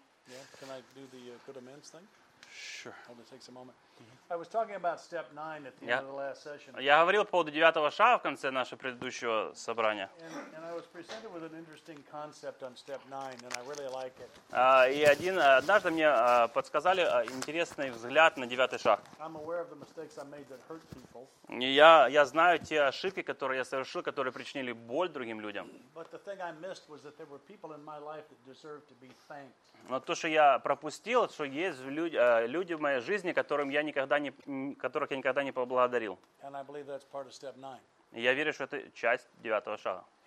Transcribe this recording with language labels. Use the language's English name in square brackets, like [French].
[English] Yeah, can I do the good amends thing? Sure. Hold it, takes a moment. I was talking about step 9 at the end of the last session. [Russian] Я говорил по поводу девятого шага в конце нашего предыдущего собрания. [English] And I was presented with an interesting concept on step 9, and I really like it. [Russian] Однажды мне подсказали интересный взгляд на девятый шаг. [English] I'm aware of the mistakes I made that hurt people. [Russian] Я знаю те ошибки, которые я совершил, которые причинили боль другим людям. [English] But the thing I missed was that there were people in my life that deserved to be thanked. [Russian] Но то, что я пропустил, что есть люди в моей жизни, которых я никогда не поблагодарил. И я верю, что это часть девятого шага.